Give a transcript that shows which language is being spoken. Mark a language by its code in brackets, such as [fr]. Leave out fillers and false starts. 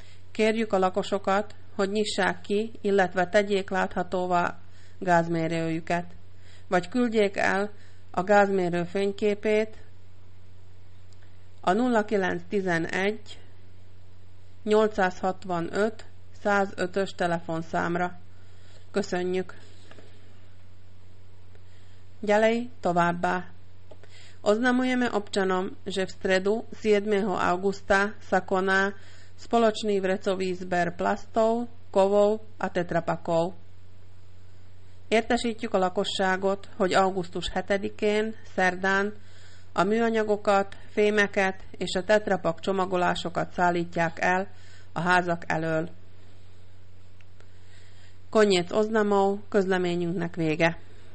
[hu] Kérjük a lakosokat, hogy nyissák ki, illetve tegyék láthatóvá gázmérőjüket, vagy küldjék el a gázmérő fényképét a 0911 865 105-ös telefonszámra. Köszönjük! [sk] Ďalej [hu] továbbá. [sk] Oznamujeme občanom, že v stredu 7. augusta sa koná spoločný vrecový zber plastov, kovov a tetrapakov. [hu] Értesítjük a lakosságot, hogy augusztus 7-én, szerdán, a műanyagokat, fémeket és a tetrapak csomagolásokat szállítják el a házak elől. [sk] Koniec oznamov, [hu] közleményünknek vége.